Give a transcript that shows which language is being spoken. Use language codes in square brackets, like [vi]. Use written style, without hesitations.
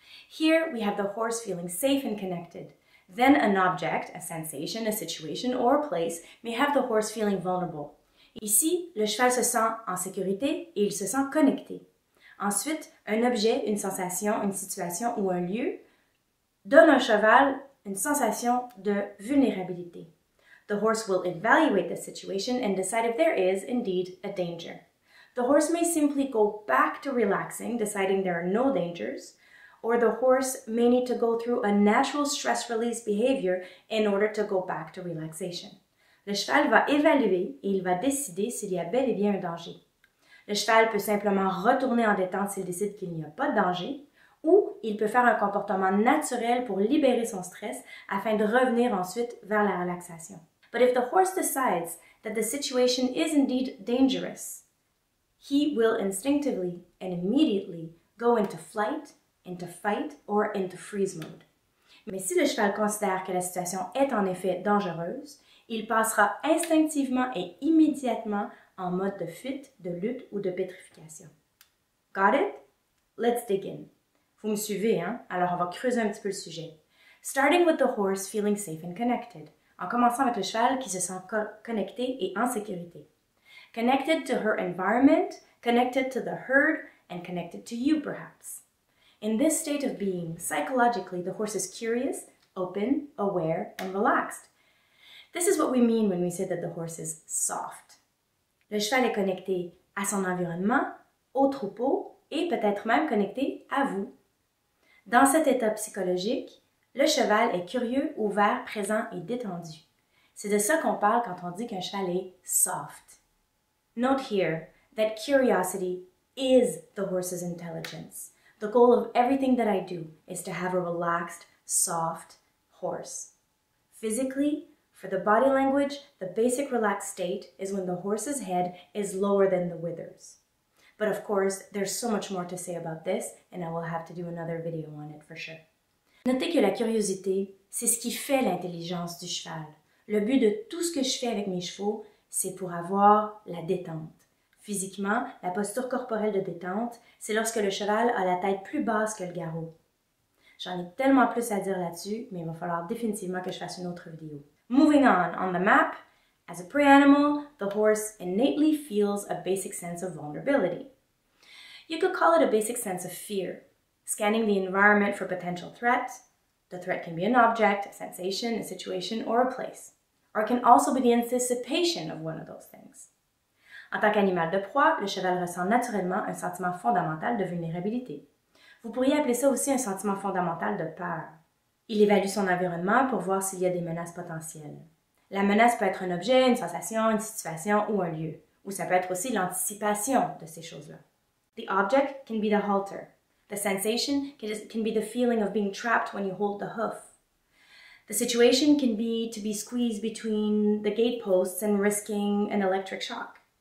[en] Here we have the horse feeling safe and connected. Then an object, a sensation, a situation or a place may have the horse feeling vulnerable. [fr] Ici, le cheval se sent en sécurité et il se sent connecté. Ensuite, un objet, une sensation, une situation ou un lieu donne au cheval une sensation de vulnérabilité. [en] The horse will evaluate the situation and decide if there is indeed a danger. The horse may simply go back to relaxing, deciding there are no dangers, or the horse may need to go through a natural stress release behavior in order to go back to relaxation. [fr] Le cheval va évaluer et il va décider s'il y a bel et bien un danger. Le cheval peut simplement retourner en détente s'il décide qu'il n'y a pas de danger, ou il peut faire un comportement naturel pour libérer son stress afin de revenir ensuite vers la relaxation. [en] But if the horse decides that the situation is indeed dangerous, he will instinctively and immediately go into flight, into fight, or into freeze mode. [fr] Mais si le cheval considère que la situation est en effet dangereuse, il passera instinctivement et immédiatement en mode de fuite, de lutte ou de pétrification. [en] Got it? Let's dig in. [fr] Vous me suivez, hein? Alors, on va creuser un petit peu le sujet. [en] Starting with the horse feeling safe and connected. [fr] En commençant avec le cheval qui se sent connecté et en sécurité. [en] Connected to her environment, connected to the herd, and connected to you, perhaps. In this state of being, psychologically, the horse is curious, open, aware, and relaxed. This is what we mean when we say that the horse is soft. [fr] Le cheval est connecté à son environnement, au troupeau, et peut-être même connecté à vous. Dans cet état psychologique, le cheval est curieux, ouvert, présent et détendu. C'est de ça qu'on parle quand on dit qu'un cheval est soft. [en] Note here that curiosity is the horse's intelligence. The goal of everything that I do is to have a relaxed, soft horse. Physically, for the body language, the basic relaxed state is when the horse's head is lower than the withers. But of course, there's so much more to say about this, and I will have to do another video on it for sure. [fr] Notez que la curiosité, c'est ce qui fait l'intelligence du cheval. Le but de tout ce que je fais avec mes chevaux, c'est pour avoir la détente. Physiquement, la posture corporelle de détente, c'est lorsque le cheval a la tête plus basse que le garrot. J'en ai tellement plus à dire là-dessus, mais il va falloir définitivement que je fasse une autre vidéo. [en] Moving on the map, as a prey animal, the horse innately feels a basic sense of vulnerability. You could call it a basic sense of fear, scanning the environment for potential threat. The threat can be an object, a sensation, a situation, or a place. Or it can also be the anticipation of one of those things. [fr] En tant qu'animal de proie, le cheval ressent naturellement un sentiment fondamental de vulnérabilité. Vous pourriez appeler ça aussi un sentiment fondamental de peur. Il évalue son environnement pour voir s'il y a des menaces potentielles. La menace peut être un objet, une sensation, une situation ou un lieu. Ou ça peut être aussi l'anticipation de ces choses-là. [en] The object can be the halter. The sensation can be the feeling of being trapped when you hold the hoof. The situation can be to be squeezed between the gateposts and risking an electric shock.